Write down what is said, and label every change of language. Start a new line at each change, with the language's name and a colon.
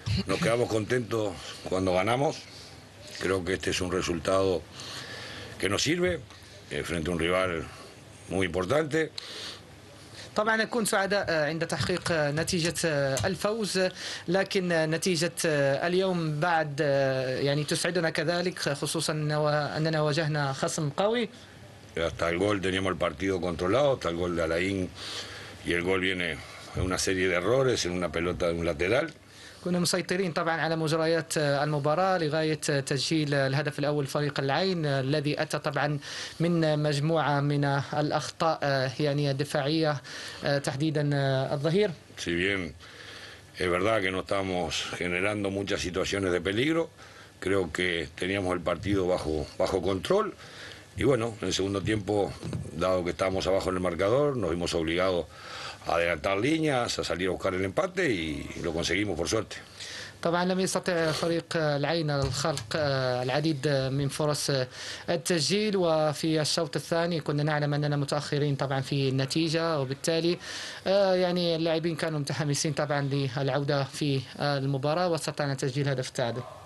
Spanish: Nos quedamos contentos cuando ganamos. Creo que este es un resultado que nos sirve frente a un rival muy importante.
Arabic: طبعا نكون سعداء عند تحقيق نتيجة الفوز، لكن نتيجة اليوم بعد يعني تسعدنا كذلك، خصوصا أننا واجهنا خصم قوي. حتى الجول
Spanish: teníamos el partido controlado, hasta el gol de Alain y el gol viene en una serie de errores en una pelota de un lateral.
Arabic: كنا مسيطرين طبعا على مجريات المباراة لغاية تسجيل الهدف الأول فريق العين الذي أتى طبعا من مجموعة من الأخطاء يعني الدفاعية تحديدا الظهير.
Spanish: Si bien es verdad que no estamos generando muchas situaciones de peligro, creo que teníamos el partido bajo control y bueno, en el segundo tiempo dado que estábamos abajo en el marcador nos vimos obligados adelantar líneas, a salir a buscar el empate y lo conseguimos por suerte.
Arabic: طبعا لم يستطع فريق العين الخلق العديد من فرص التسجيل، وفي الشوط الثاني كنا نعلم اننا متاخرين طبعا في النتيجه، وبالتالي يعني اللاعبين كانوا متحمسين طبعا للعوده في المباراه واستطعنا تسجيل هدف التعادل.